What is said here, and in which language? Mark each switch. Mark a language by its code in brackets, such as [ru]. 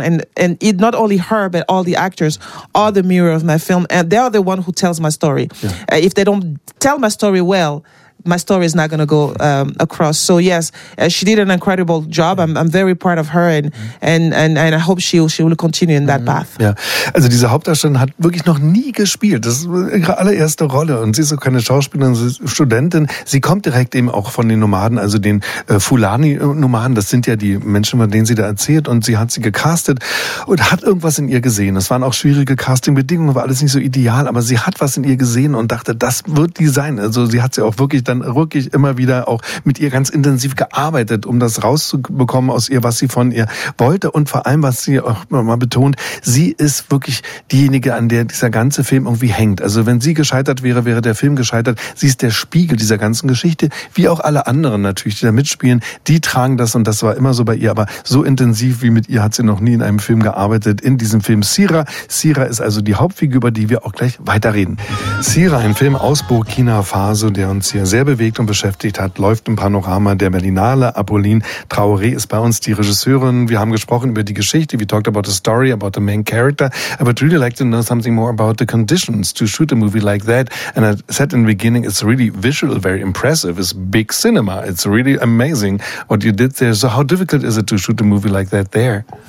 [en] And it not only her, but all the actors are the mirror of my film. And they are the one who tells my story. Yeah. If they don't tell my story well, my story is not going to go across. So yes, she did an incredible job. I'm very proud of her and I hope she will continue in that path. [de] Ja, also diese Hauptdarstellerin hat wirklich noch nie gespielt. Das ist ihre allererste Rolle und sie ist so keine Schauspielerin, sie ist Studentin. Sie kommt direkt eben auch von den Nomaden, also den Fulani-Nomaden. Das sind ja die Menschen, von denen sie da erzählt, und sie hat sie gecastet und hat irgendwas in ihr gesehen. Es waren auch schwierige Casting-Bedingungen, war alles nicht so ideal, aber sie hat was in ihr gesehen und dachte, das wird die sein. Also sie hat sie auch wirklich immer wieder auch mit ihr ganz intensiv gearbeitet, um das rauszubekommen aus ihr, was sie von ihr wollte. Und vor allem, was sie auch immer mal betont, sie ist wirklich diejenige, an der dieser ganze Film irgendwie hängt. Also wenn sie gescheitert wäre, wäre der Film gescheitert. Sie ist der Spiegel dieser ganzen Geschichte, wie auch alle anderen natürlich, die da mitspielen. Die tragen das, und das war immer so bei ihr. Aber so intensiv wie mit ihr hat sie noch nie in einem Film gearbeitet, in diesem Film Sira. Sira ist also die Hauptfigur, über die wir auch gleich weiterreden. Sira, ein Film aus Burkina Faso, der uns hier sehr bewegt und beschäftigt hat, läuft im Panorama der Berlinale. Apolline Traoré ist bei uns, die Regisseurin. Wir haben gesprochen über die Geschichte. [en] We talked about the story, about the main character. I would really like to know something more about the conditions to shoot a movie like that. And I said in the beginning, it's really visual, very impressive. It's big cinema. It's really amazing what you did there. So how difficult is it to shoot a movie like that there?